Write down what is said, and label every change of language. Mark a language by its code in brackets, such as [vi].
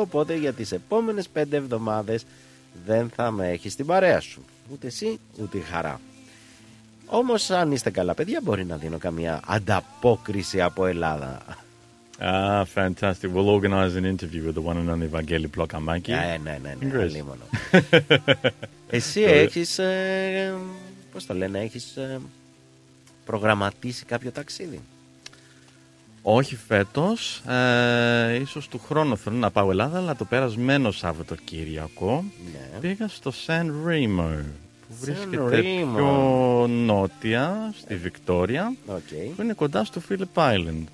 [el] Οπότε για τις επόμενες 5 εβδομάδες δεν θα με έχεις την παρέα σου. Ούτε εσύ, ούτε η χαρά. Όμως αν είστε καλά παιδιά, μπορεί να δίνω καμία ανταπόκριση από Ελλάδα. [en] Ah, fantastic. We'll organize an interview with the one and only Vangeli Plokamaki. [el] Ναι, ναι, ναι. Εσύ έχεις... Πώς το λένε, έχεις προγραμματίσει κάποιο ταξίδι? Όχι φέτος, ίσως του χρόνου θέλω να πάω Ελλάδα, αλλά το περασμένο Σαββατοκύριακο πήγα στο Σαν Ρίμο, που βρίσκεται πιο νότια, στη Βικτόρια, που είναι κοντά στο Phillip Island.